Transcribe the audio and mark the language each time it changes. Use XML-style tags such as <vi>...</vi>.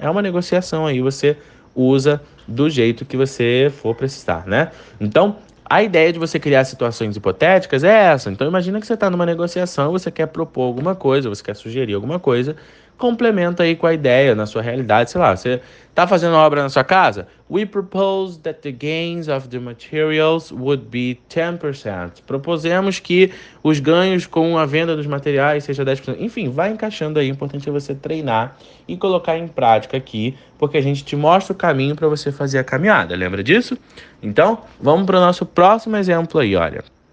<pt>É uma negociação aí, você usa do jeito que você for precisar, né? Então, a ideia de você criar situações hipotéticas é essa. Então, imagina que você está numa negociação, você quer propor alguma coisa, você quer sugerir alguma coisa, complementa aí com a ideia na sua realidade, sei lá, você está fazendo uma obra na sua casa?</pt> <en>We propose that the gains of the materials would be 10%.</en> <pt>Proposemos que os ganhos com a venda dos materiais seja 10%. Enfim, vai encaixando aí, o importante é você treinar e colocar em prática aqui, porque a gente te mostra o caminho para você fazer a caminhada, lembra disso? Então, vamos para o nosso próximo exemplo aí, olha.</pt>